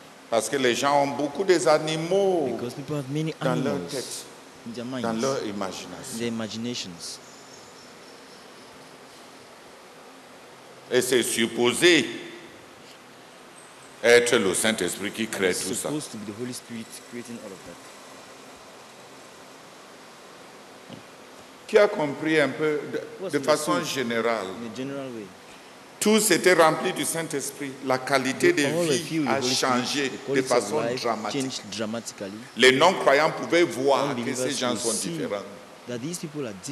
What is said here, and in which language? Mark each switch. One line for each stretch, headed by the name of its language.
French: Parce que les gens ont beaucoup des animaux dans leur tête, dans leur imagination. Et c'est supposé être le Saint-Esprit qui crée tout ça.
English: Supposed to be the Holy Spirit creating all of that.
French: Qui a compris un peu de façon générale?
English: In a general way.
French: Tous étaient remplis du Saint-Esprit. La qualité de vie a changé de façon dramatique. Les non-croyants pouvaient voir que ces gens sont différents.